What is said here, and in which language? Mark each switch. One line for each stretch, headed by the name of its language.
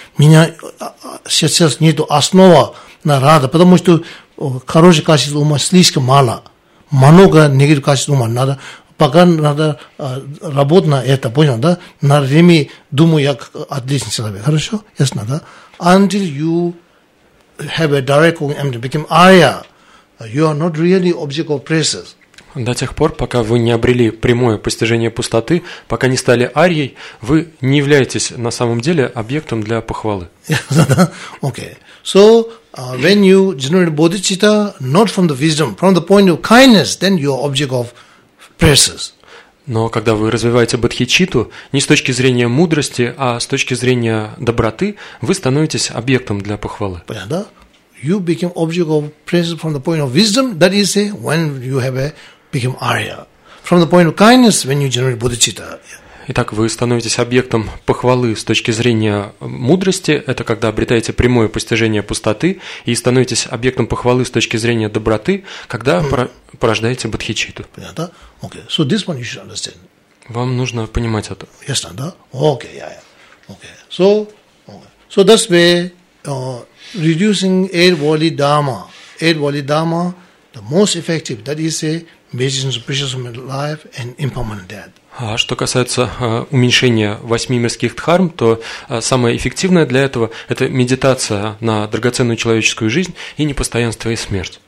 Russian: Меня сейчас нету основа на рада, потому что хорошее качество ума слишком мало. Много негативного качества ума надо. Пока надо работать на это, понял, да? На время думаю, я отличный человек. Хорошо? Ясно, да?
English: Until you have a direct cognition, become Arya, you are not really object of praises.
Russian: До тех пор, пока вы не обрели прямое постижение пустоты, пока не стали Арьей, вы не являетесь на самом деле объектом для похвалы.
English: Okay. So, when you generate bodhicitta, not from the wisdom, from the point of kindness, then you are object of praises.
Russian: Но когда вы развиваете бодхичитту не с точки зрения мудрости, а с точки зрения доброты, вы становитесь объектом для похвалы. Понятно?
English: You became object of praises from the point of wisdom, that is say, when you have become Arya. From the point of kindness, when you generate bodhicitta.
Russian: Итак, вы становитесь объектом похвалы с точки зрения мудрости, это когда обретаете прямое постижение пустоты, и становитесь объектом похвалы с точки зрения доброты, когда порождаете бодхичитту.
English: Понятно? Okay. So this one you should understand.
Russian: Вам нужно понимать это. Ясно, да? Окей, okay, я. Yeah, yeah. Okay.
English: So, so that's way reducing eight worldly dharma, the most effective. That is a basis of precious life and impermanent death.
Russian: А что касается уменьшения восьми мирских дхарм, то самое эффективное для этого – это медитация на драгоценную человеческую жизнь и непостоянство и смерть.